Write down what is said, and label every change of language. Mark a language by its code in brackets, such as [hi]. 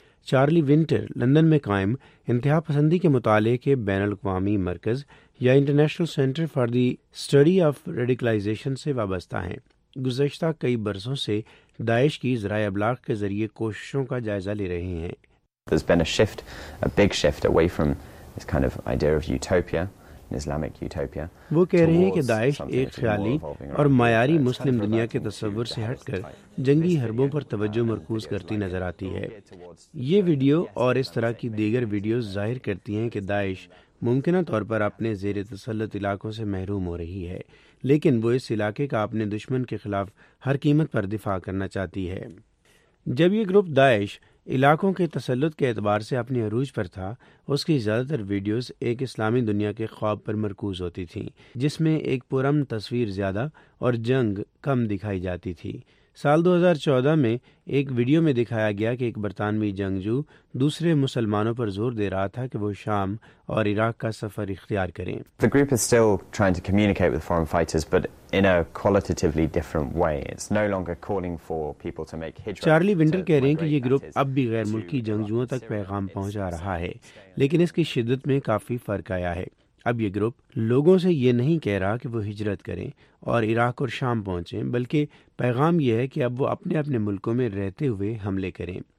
[ur] Charlie winter London میں قائم انتہا پسندی کے مطالعے کے بین الاقوامی مرکز یا international centre for the study of radicalisation سے وابستہ ہیں۔ گزشتہ کئی برسوں سے داعش کی ذرائع ابلاغ کے ذریعے کوششوں کا جائزہ لے رہے ہیں۔ [en] There's been a shift, a big shift away from this kind of idea of utopia. [ur] وہ کہہ رہے ہیں کہ داعش ایک خیالی اور معیاری مسلم دنیا کے تصور سے ہٹ کر جنگی حربوں پر توجہ مرکوز کرتی نظر آتی ہے۔ یہ ویڈیو اور اس طرح کی دیگر ویڈیوز ظاہر کرتی ہیں کہ داعش ممکنہ طور پر اپنے زیر تسلط علاقوں سے محروم ہو رہی ہے، لیکن وہ اس علاقے کا اپنے دشمن کے خلاف ہر قیمت پر دفاع کرنا چاہتی ہے۔ جب یہ گروپ داعش علاقوں کے تسلط کے اعتبار سے اپنے عروج پر تھا، اس کی زیادہ تر ویڈیوز ایک اسلامی دنیا کے خواب پر مرکوز ہوتی تھیں، جس میں ایک پرم تصویر زیادہ اور جنگ کم دکھائی جاتی تھی۔ سال 2014 میں ایک ویڈیو میں دکھایا گیا کہ ایک برطانوی جنگجو دوسرے مسلمانوں پر زور دے رہا تھا کہ وہ شام اور عراق کا سفر اختیار کریں۔ [en] The group is still trying to communicate with foreign fighters but in a qualitatively different way. It's no longer calling for people to make hijra. [ur] Charlie wonder کہہ رہے ہیں کہ یہ گروپ اب بھی غیر ملکی جنگجوؤں تک پیغام پہنچا رہا ہے، لیکن اس کی شدت میں کافی فرق آیا ہے۔ اب یہ گروپ لوگوں سے یہ نہیں کہہ رہا کہ وہ ہجرت کریں اور عراق اور شام پہنچیں، بلکہ پیغام یہ ہے کہ اب وہ اپنے اپنے ملکوں میں رہتے ہوئے حملے کریں۔